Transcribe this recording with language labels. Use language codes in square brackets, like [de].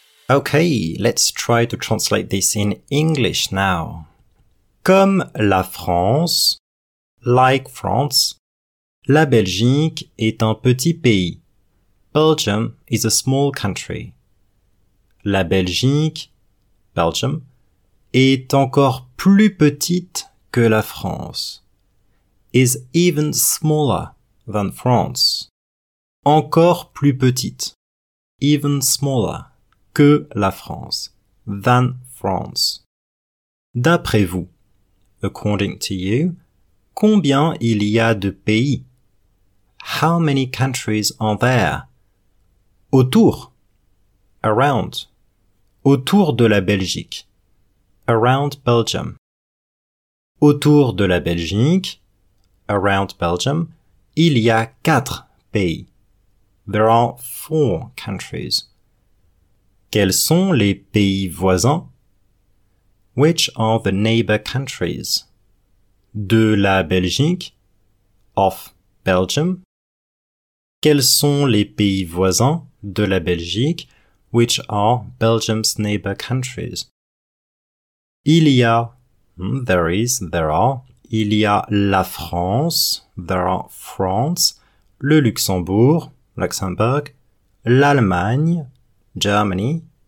[en] Okay, let's try to translate this in English now. [fr] Comme la France, [en] like France, [fr] la Belgique est un petit pays. [en] Belgium is a small country. [fr] La Belgique, [en] Belgium, [fr] est encore plus petite que la France. [en] Is even smaller than France. [fr] Encore plus petite. [en] Even smaller. [fr] Que la France, [en] than France. [fr] D'après vous, [en] according to you, [fr] combien il y a de pays? [en] How many countries are there? [fr] Autour, [en] around, [fr] autour de la Belgique, [en] around Belgium. [fr] Autour de la Belgique, [en] around Belgium, [fr] il y a 4 pays. [en] There are 4 countries. [fr] Quels sont les pays voisins? [en] Which are the neighbor countries? [fr] De la Belgique? [en] Of Belgium? [fr] Quels sont les pays voisins de la Belgique? [en] Which are Belgium's neighbor countries? [fr] Il y a, [en] there is, there are, [fr] il y a la France, [en] there are France, [fr] le Luxembourg, [en] Luxembourg, [fr] l'Allemagne, [en] Germany,